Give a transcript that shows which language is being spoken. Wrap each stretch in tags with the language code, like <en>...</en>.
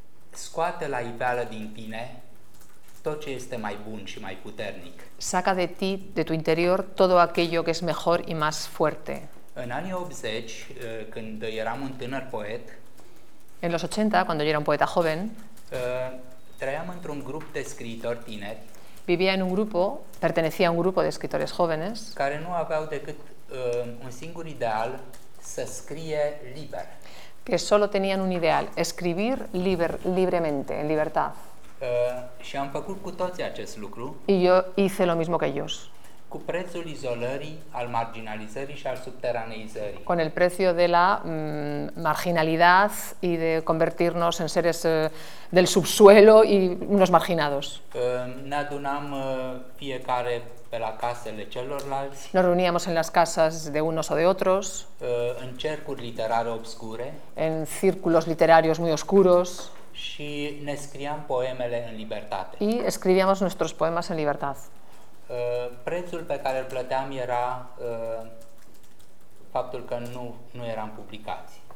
<ro>Scoate la iveală din tine tot ce este mai bun și mai puternic.</ro> <es>Saca de ti, de tu interior, todo aquello que es mejor y más fuerte.</es> <ro>În anii 80, când eram un tânăr poet.</ro> <es>En los 80, cuando yo era un poeta joven.</es> <ro>Trăiam într-un grup de scriitori tineri.</ro> <es>Vivía en un grupo, pertenecía a un grupo de escritores jóvenes.</es> <ro>Care nu aveau decât un singur ideal, să scrie liber.</ro> <es>Que solo tenían un ideal, escribir libremente, en libertad.</es> <ro>Și am făcut cu toții acest lucru.</ro> <es>Y yo hice lo mismo que ellos.</es> <ro>Cu prețul izolării, al marginalizării și al subteraneizării.</ro> <es>Con el precio de la marginalidad y de convertirnos en seres del subsuelo y unos marginados.</es> <ro>Ne adunam fiecare pe la casele celorlalți.</ro> <es>Nos reuníamos en las casas de unos o de otros.</es> <ro>În cercuri literare obscure.</ro> <es>En círculos literarios muy oscuros.</es> <ro>Și ne scriam poemele în libertate.</ro> <es>Y escribíamos nuestros poemas en libertad.</es> <ro>Prețul pe care îl plăteam era faptul că nu eram publicați.</ro>